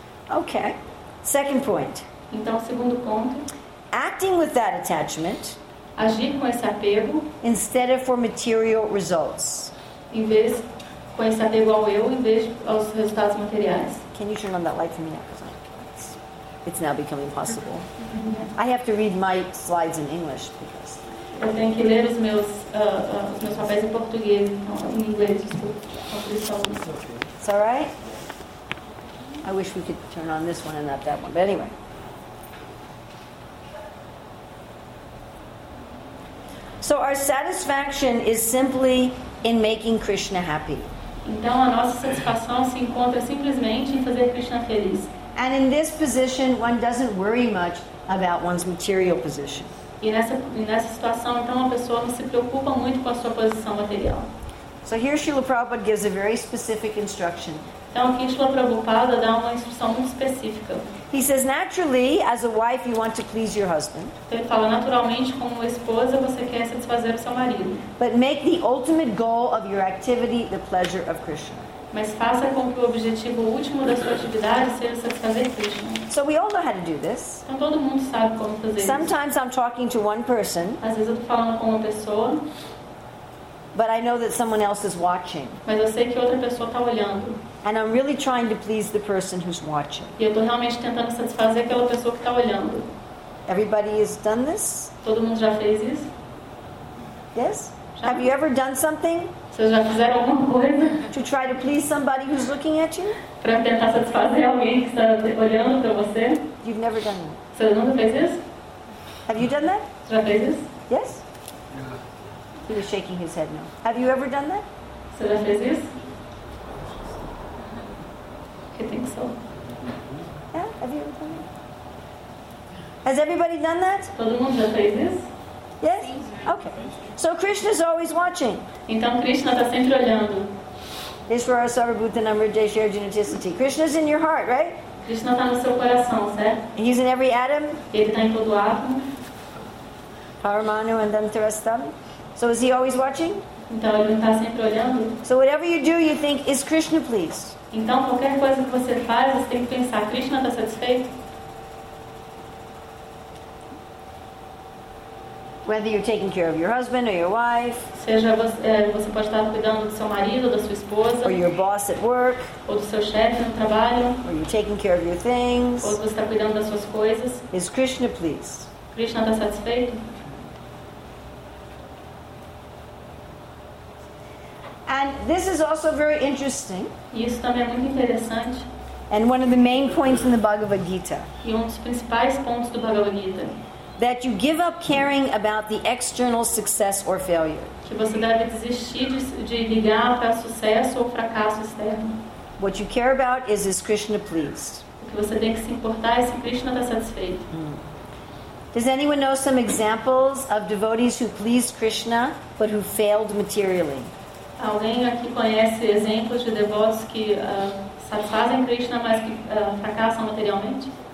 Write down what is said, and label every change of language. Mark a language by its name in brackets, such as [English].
[English] Okay. Second point. [Portuguese] Então segundo ponto. [English] Acting with that attachment, [Portuguese] agir com esse apego, [English] instead of for material results, [Portuguese] em vez com esse apego ao eu, em vez aos resultados materiais. [English] Can you turn on that light for me now? It's now becoming impossible. I have to read my slides in English because [Portuguese] eu tenho que ler os meus papéis em português, em inglês. [English] It's all right. I wish we could turn on this one and not that one, but anyway. So our satisfaction is simply in making Krishna happy. [Portuguese] Então a nossa satisfação se encontra simplesmente em fazer Krishna feliz. [English] And in this position, one doesn't worry much about one's material position. [Portuguese] E nessa situação, então a pessoa não se preocupa muito com a sua posição material. [English] So here Srila Prabhupada gives a very specific instruction [Portuguese] Então aqui Shrila Prabhupada dá uma instrução muito específica. [English] He says, naturally, as a wife, you want to please your husband. [Portuguese] Então ele fala, naturalmente, como esposa, você quer satisfazer o seu marido. [English] But make the ultimate goal of your activity the pleasure of Krishna. [Portuguese] Mas faça com que o objetivo último da sua atividade seja satisfazer Krishna. [English] So we all know how to do this. [Portuguese] Então todo mundo sabe como fazer. [English] Sometimes [Portuguese] isso. [English] I'm talking to one person. [Portuguese] Às vezes eu estou falando com uma pessoa. [English] But I know that someone else is watching. [Portuguese] Mas eu sei que outra pessoa está olhando. [English] And I'm really trying to please the person who's watching. [Portuguese] E eu estou realmente tentando satisfazer aquela pessoa que está olhando. [English] Everybody has done this? [Portuguese] Todo mundo já fez isso? [English] Yes? [Portuguese] Já. [English] Have you ever done something? [Portuguese] Vocês já fizeram alguma coisa? [English] To try to please somebody who's looking at you? [Portuguese] Para tentar satisfazer alguém que está olhando para você? [English] You've never done that. [Portuguese] Você nunca fez isso? [English] Have you done that? [Portuguese] Já fez isso? [English] Yes? He was shaking his head no. Have you ever done that? [Portuguese] Você já fez isso? [English] I think so. Yeah? Have you ever done that? Has everybody done that? [Portuguese] Todo mundo já fez isso? [English] Yes? Okay. So Krishna is always watching. [Portuguese] Então Krishna está sempre olhando. [Sanskrit] Ishvara Sarvabhuta Namrita Sharjanatisati. [English] Krishna is in your heart, right? [Portuguese] Krishna está no seu coração, certo? [English] He's in every atom. [Portuguese] Ele está em todo átomo. [Sanskrit] Paramanu and Antarastam. [English] So is he always watching? [Portuguese] Então ele está sempre olhando. [English] So whatever you do, you think, is Krishna pleased? [Portuguese] Então qualquer coisa que você faz, você tem que pensar, Krishna está satisfeito? [English] Whether you're taking care of your husband or your wife. [Portuguese] Seja você pode estar cuidando do seu marido, da sua esposa. [English] Or your boss at work. [Portuguese] Ou do seu chefe no trabalho. [English] Or you're taking care of your things. [Portuguese] Ou você está cuidando das suas coisas. [English] Is Krishna pleased? [Portuguese] Krishna está satisfeito? [English] And this is also very interesting. [Portuguese] Isso também é muito interessante. [English] And one of the main points in the Bhagavad Gita. [Portuguese] E um dos principais pontos do Bhagavad Gita. [English] That you give up caring about the external success or failure. [Portuguese] Que você deve desistir de ligar para sucesso ou fracasso externo. [English] What you care about is Krishna pleased. [Portuguese] O que você tem que se importar é se Krishna está satisfeito. Mm. [English] Does anyone know some examples of devotees who pleased Krishna but who failed materially? [Portuguese] Alguém aqui conhece exemplos de devotos que satisfazem Krishna, mas que fracassam materialmente?